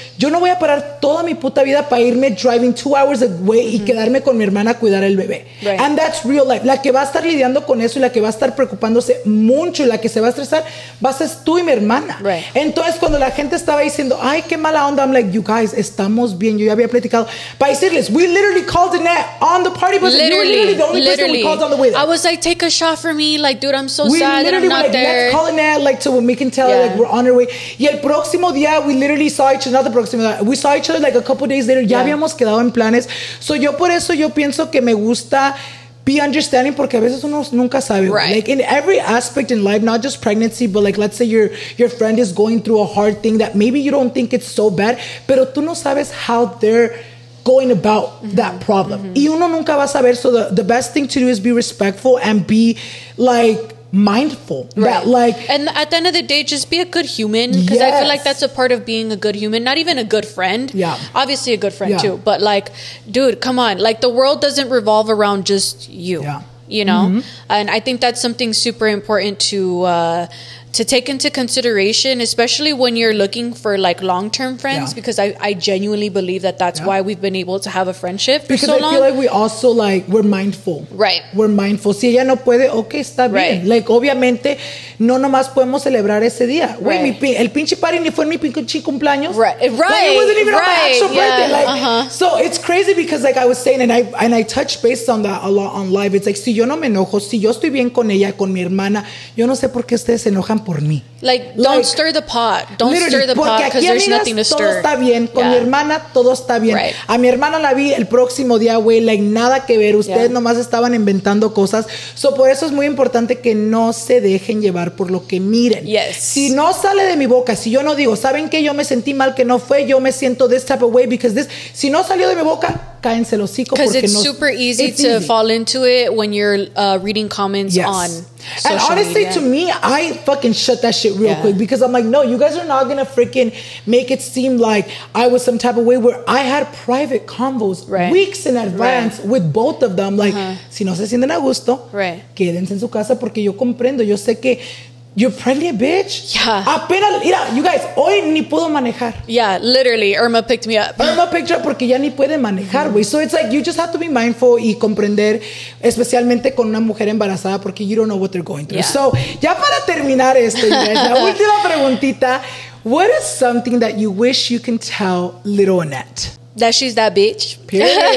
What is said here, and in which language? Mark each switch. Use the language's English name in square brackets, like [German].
[Spanish] yo no voy a parar toda mi puta vida para irme [English] driving 2 hours away [Spanish] y quedarme con mi hermana a cuidar el bebé. [English] Right. And that's real life. [Spanish] La que va a estar lidiando con eso y la que va a estar preocupándose mucho y la que se va a estresar, va a ser tú y mi hermana. [English] Right. [Spanish] Entonces, cuando la gente estaba diciendo, ay, qué mala onda, [English] I'm like, you guys, [Spanish] estamos bien. Yo ya había platicado. Para decirles, [English] we literally called Annette on the party bus. Literally. I was like, take a shot for me. Like, dude, I'm so we sad that I'm not there. We literally were like, call Annette, like, so we can tell, like, we're on our way. [Spanish] Y el próximo día, [English] we literally saw each other. Not the [Spanish] próximo día. [English] We saw each other, like, a couple days later. [Spanish] Ya habíamos quedado en planes. So yo por eso, yo pienso que me gusta [English] be understanding, [Spanish] porque a veces uno nunca sabe. [English] Right. Like, in every aspect in life, not just pregnancy, but, like, let's say your friend is going through a hard thing that maybe you don't think it's so bad, [Spanish] pero tú no sabes [English] how they're going about that problem. [Spanish] Y uno nunca va a saber. [English] So the best thing to do is be respectful and be, like, mindful. Right. That, like, and at the end of the day, just be a good human, because I feel like that's a part of being a good human, not even a good friend. Yeah. Obviously a good friend too. But, like, dude, come on. Like, the world doesn't revolve around just you. Yeah. You know? Mm-hmm. And I think that's something super important to take into consideration, especially when you're looking for, like, long-term friends, because I genuinely believe that that's why we've been able to have a friendship for because so long. Because I feel like we also, like, we're mindful. Right. We're mindful. [Spanish] Si ella no puede, okay, está bien. Like, obviamente, no nomás podemos celebrar ese día. Güey, el pinche party ni fue mi pinche cumpleaños. [English] Right. But it wasn't even on my actual birthday. Like, uh-huh. So it's crazy because, like, I was saying, and I touched base on that a lot on live. It's like, [Spanish] si yo no me enojo, si yo estoy bien con ella, con mi hermana, yo no sé por qué ustedes se enojan por mí. [English] Like, don't stir the pot. Don't stir the pot, because there's nothing to stir. [Spanish] Todo está bien. Con mi hermana, todo está bien. Right. A mi hermana la vi el próximo día, güey. Like, nada que ver. Ustedes nomás estaban inventando cosas. So, por eso es muy importante que no se dejen llevar por lo que miren. [English] Yes. [Spanish] Si no sale de mi boca, si yo no digo, ¿saben qué? Yo me sentí mal que no fue. Yo me siento [English] this type of way because this. [Spanish] Si no salió de mi boca, cáense el hocico. [English] Because it's no, super easy it's to easy. Fall into it when you're reading comments on and social honestly media. To me, I fucking shut that shit real quick, because I'm like, no, you guys are not gonna freaking make it seem like I was some type of way, where I had private convos weeks in advance with both of them, like, [Spanish] si no se sienten a gusto, quédense en su casa, porque yo comprendo, yo sé que [English] you're pregnant, bitch. Yeah. [Spanish] Apenas, mira, [English] you guys, [Spanish] hoy ni puedo manejar. [English] Yeah, literally, Irma picked me up. Irma picked you up [Spanish] porque ya ni puede manejar, güey. [English] So it's like, you just have to be mindful [Spanish] y comprender, especialmente con una mujer embarazada, [English] porque you don't know what they're going through. Yeah. [Spanish] So, ya para terminar esto, la última preguntita. [English] What is something that you wish you can tell little Annette? That she's that bitch. Period.